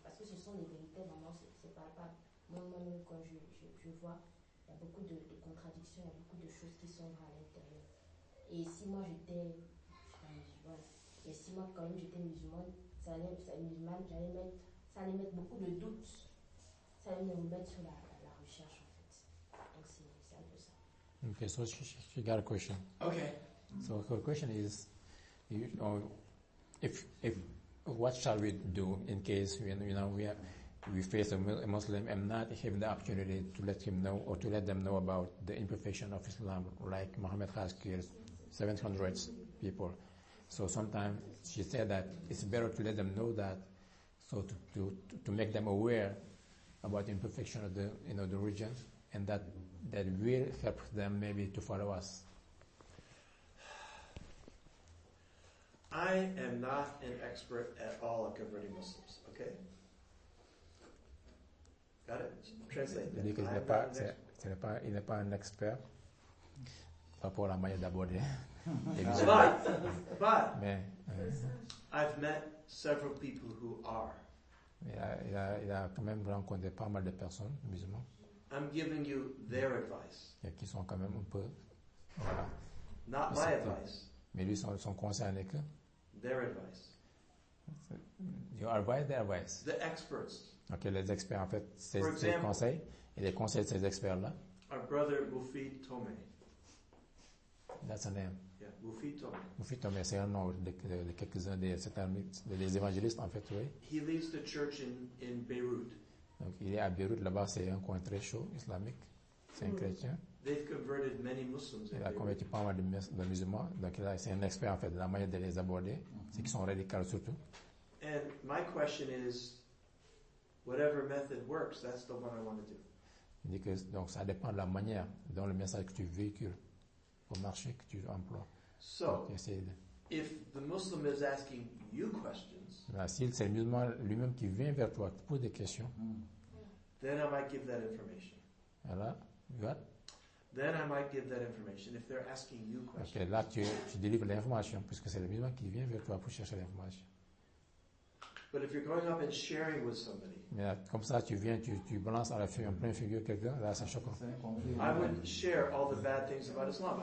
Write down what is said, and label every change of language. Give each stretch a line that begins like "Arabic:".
French: Parce que ce sont des vérités, vraiment, c'est palpable. Moi-même, quand je vois, il y a beaucoup de contradictions, il y a beaucoup de choses qui sont à l'intérieur. Et si moi, j'étais musulmane, ça allait être musulmane, j'allais mettre ça allait mettre beaucoup de doutes, ça allait nous mettre sur la recherche en fait. Donc c'est un peu ça.
English: Ok, so she got a question. Ok. So her question is, if what shall we do in case we face a Muslim and not having the opportunity to let him know or to let them know about the imperfection of Islam, like Muhammad has killed 700 people. So sometimes she said that it's better to let them know that. So to make them aware about the imperfection of the religion, and that will help them maybe to follow us. I am not an expert at all at converting Muslims. Okay. Got it. Translate.
French: Il dit qu'il n'est pas un expert pour la manière d'aborder.
English: But
French: mais,
English: I've met several people who are.
French: Il a quand même rencontré pas mal de personnes musulmanes.
English: I'm giving you their advice.
French: Et qui sont quand même un peu voilà,
English: Not my advice.
French: Mais lui, son conseil n'est que.
English: Their advice. Your advice, their advice. The experts.
French: Ok, les experts, en fait, c'est ses conseils et les conseils de ces experts-là.
English: Our brother Mufid Tome. That's a name. Yeah, Mufid Tome.
French: Mufid Tome, c'est un nom de quelques-uns des évangélistes, en fait, oui. He leads the church in Beirut. Donc, il est à Beyrouth, là-bas, c'est un coin très chaud, islamique. C'est un chrétien.
English: They've converted many Muslims.
French: Il a converti pas mal de musulmans. Donc, là, c'est un expert, en fait, de la manière de les aborder. Mm-hmm. C'est qu'ils sont radicaux, surtout.
English: And my question is, whatever method works, that's the one I want to do.
French: Il dit que, donc, ça dépend de la manière dont le message que tu véhicules au marché, que tu emploies.
English: So,
French: donc, de...
English: if the Muslim is asking you questions,
French: là, si c'est le musulman lui-même qui vient vers toi, qui pose des questions,
English: then I might give that information.
French: Voilà.
English: What? Then I might give that information if they're asking you questions.
French: Okay, là, tu délivres l'information puisque c'est le musulman qui vient vers toi pour chercher l'information.
English: But if you're going up and sharing with somebody,
French: mais là, comme ça, tu viens, tu balances à la figure, en pleine figure quelqu'un, là, ça choque.
English: I would share all the bad things about Islam.